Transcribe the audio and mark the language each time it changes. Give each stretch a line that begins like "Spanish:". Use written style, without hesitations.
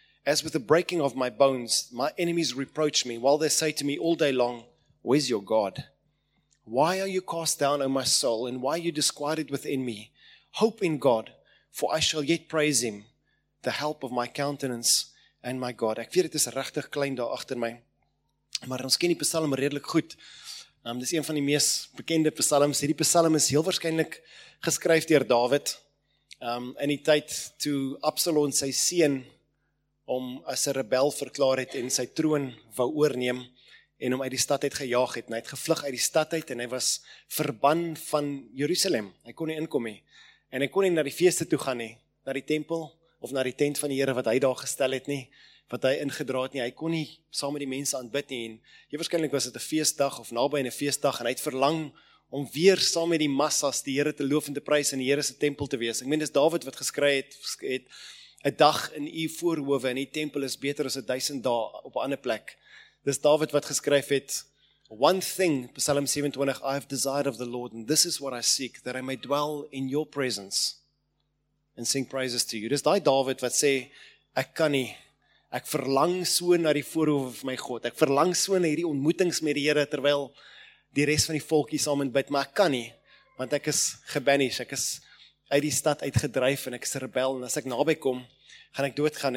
English: As with the breaking of my bones, my enemies reproach me, while they say to me all day long, where's your God? Why are you cast down, O my soul, and why are you disquieted within me? Hope in God, for I shall yet praise him, the help of my countenance and my God.
Afrikaans: Ek weet, het is regtig klein daar achter my, maar ons ken die psalm redelijk goed. Dit is een van die mees bekende psalms. Hierdie psalm is heel waarschijnlijk geskryf deur David in die tyd toe Absalom sy seun om as 'n rebel verklaar het en sy troon wou oorneem en hom uit die stad uit gejaag het. En hy het gevlug uit die stad uit en hy was verban van Jerusalem. Hy kon nie inkom nie. En hy kon nie na die feeste toe gaan nie, na die tempel of na die tent van die Here wat hy daar gestel het nie. Wat hy ingedraad nie, hy kon nie saam met die mense aanbid nie, en jy waarskynlik was dit 'n feestdag of naby 'n feestdag, en hy het verlang om weer saam met die massas die Here te loof en te prys in die Here se tempel te wees. Ek meen, dis David wat geskry het, 'n dag in u voorhoewe, en die tempel is beter as 1000 dae op 'n ander plek. Dis David wat geskryf het,
English: one thing, Psalm 27, I have desired of the Lord, and this is what I seek, that I may dwell in your presence, and sing praises to you.
Afrikaans: Dis die David wat sê, ek kan nie, ek verlang so na die voorhoof van my God. Ek verlang so na hierdie ontmoetings met die Here terwyl die res van die volkie saam in bid, maar ek kan nie, want ek is gebannies. Ek is uit die stad uitgedryf en ek is rebel, en as ek naby kom, gaan ek doodgaan.